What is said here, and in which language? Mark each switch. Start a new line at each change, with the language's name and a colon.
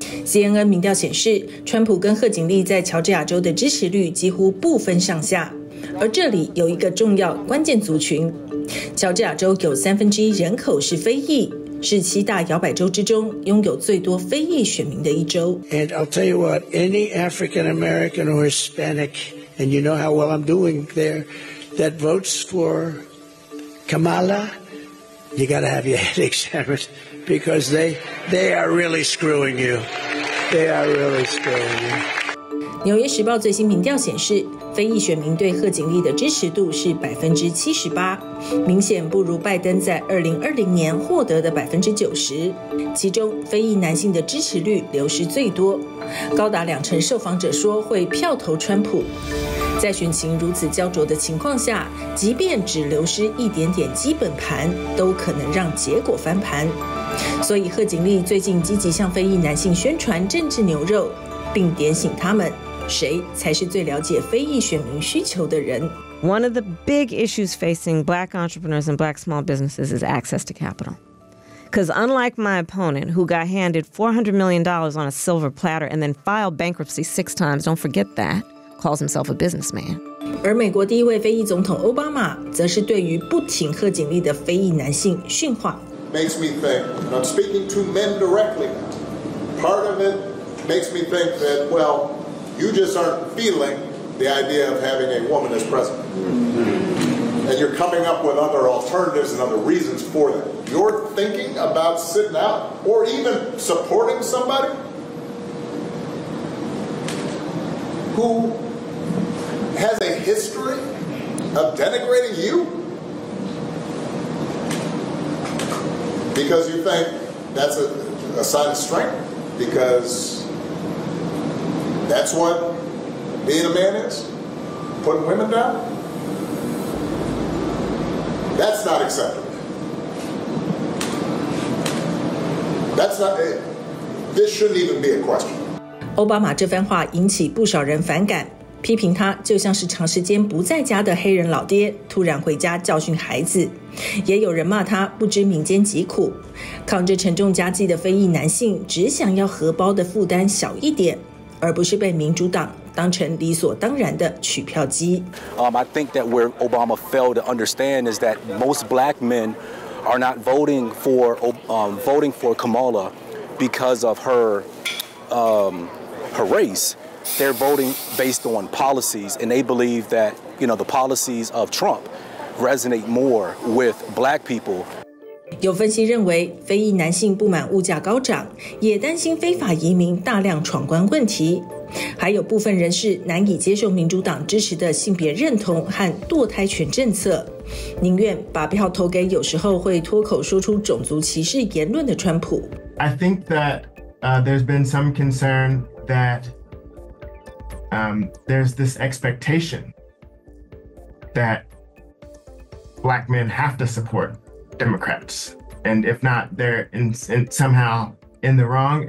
Chinese: CNN 民调显示，川普跟贺锦丽在乔治亚州的支持率几乎不分上下。而这里有一个重要关键族群，乔治亚州有1/3人口是非裔，是七大摇摆州之中拥有最多非裔选民的一州。
English: And I'll tell you what, any African American or Hispanic, and you know how well I'm doing there, that votes for Kamala, you gotta have your head examined. Because they are really screwing you. They are really screwing you.
Chinese: 纽约时报最新民调显示，非裔选民对贺锦丽的支持度是78%，明显不如拜登在2020年获得的90%。其中，非裔男性的支持率流失最多，高达20%受访者说会票投川普。在选情如此焦灼的情况下，即便只流失一点点基本盘，都可能让结果翻盘。所以贺锦丽最近积极向非裔男性宣传政治牛肉，并点醒他们谁才是最了解非裔选民需求的人。
English: One of the big issues facing black entrepreneurs and black small businesses is access to capital. Because unlike my opponent who got handed $400 million on a silver platter and then filed bankruptcy 6 times, don't forget that, calls himself a businessman.
Chinese: 而美国第一位非裔总统奥巴马则是对于不挺贺锦丽的非裔男性训话。
English: Makes me think, and I'm speaking to men directly, part of it makes me think that, well, you just aren't feeling the idea of having a woman as president. And you're coming up with other alternatives and other reasons for that. You're thinking about sitting out or even supporting somebody who has a history of denigrating you? Because you think that's a sign of strength, because that's what being a man is, putting women down? That's not acceptable. That's not, this shouldn't even be a question.
Chinese: 奥巴马这番话引起不少人反感，批评他就像是长时间不在家的黑人老爹突然回家教训孩子，也有人骂他不知民间疾苦。扛着沉重家计的非裔男性只想要荷包的负担小一点，而不是被民主党当成理所当然的取票机。
English: I think that where Obama failed to understand is that most black men are not voting for Kamala because of her race. They're voting based on policies, and they believe that, you know, the policies of Trump resonate more with black people.
Chinese: 有分析认为，非裔男性不满物价高涨，也担心非法移民大量闯关问题。还有部分人士难以接受民主党支持的性别认同和堕胎权政策，宁愿把票投给有时候会脱口说出种族歧视言论的川普。
English: I think that, there's been some concern that. There's this expectation that black men have to support Democrats, and if not, they're in somehow in the wrong.